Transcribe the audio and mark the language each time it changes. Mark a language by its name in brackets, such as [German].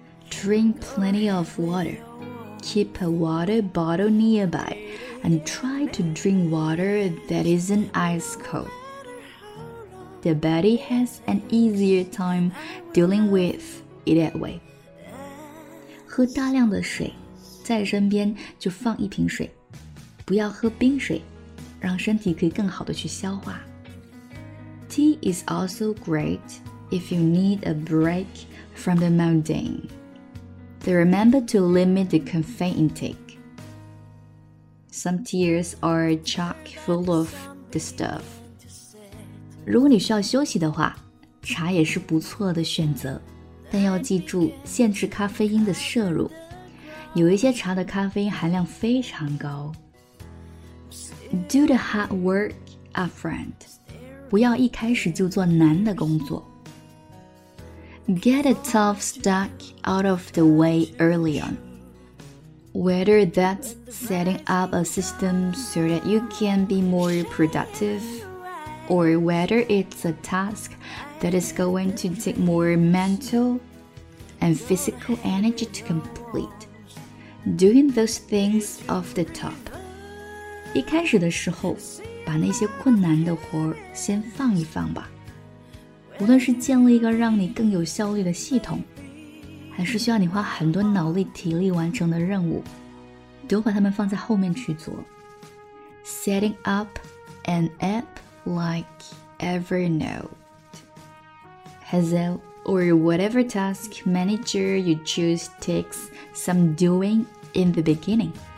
[English] Drink plenty of water， Keep a water bottle nearby and try to drink water that isn't ice cold。 The body has an easier time dealing with it that way。 [Chinese] 喝大量的水，在身边就放一瓶水，不要喝冰水，让身体可以更好的去消化。 [English] Tea is also great if you need a break from the mundane, but remember to limit the caffeine intake. Some teas are chock full of the stuff. [Chinese] 如果你需要休息的话，茶也是不错的选择，但要记住限制咖啡因的摄入，有一些茶的咖啡因含量非常高。 [English] Do the hard work up front， [Chinese] 不要一开始就做难的工作。 [English] Get a tough stack out of the way early on， Whether that's setting up a system so that you can be more productiveOr whether it's a task that is going to take more mental and physical energy to complete. Doing those things off the top. [Chinese] 一开始的时候，把那些困难的活先放一放吧。无论是建立一个让你更有效率的系统，还是需要你花很多脑力体力完成的任务，都把它们放在后面去做。 [English] Setting up an app. Like Evernote, Hazel, or whatever task manager you choose takes some doing in the beginning.